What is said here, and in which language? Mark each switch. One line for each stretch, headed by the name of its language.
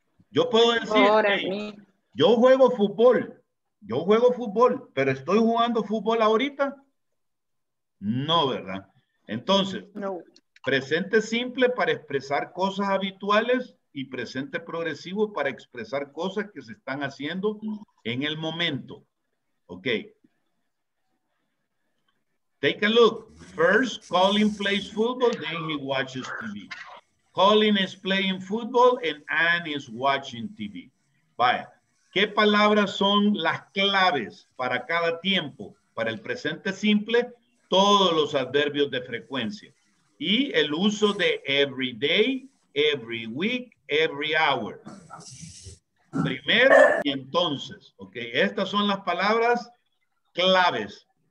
Spanish: Yo puedo decir, hey, yo juego fútbol, pero ¿estoy jugando fútbol ahorita? No, ¿verdad? Entonces, presente simple para expresar cosas habituales y presente progresivo para expresar cosas que se están haciendo en el momento. Ok.
English: Take a look. First, Colin plays football, then he watches TV. Colin is playing football and Anne is watching TV.
Spanish: Vaya. ¿Qué palabras son las claves para cada tiempo? Para el presente simple, todos los adverbios de frecuencia. Y el uso de
English: every day, every week, every hour.
Spanish: Primero y entonces. Ok, estas son las palabras claves.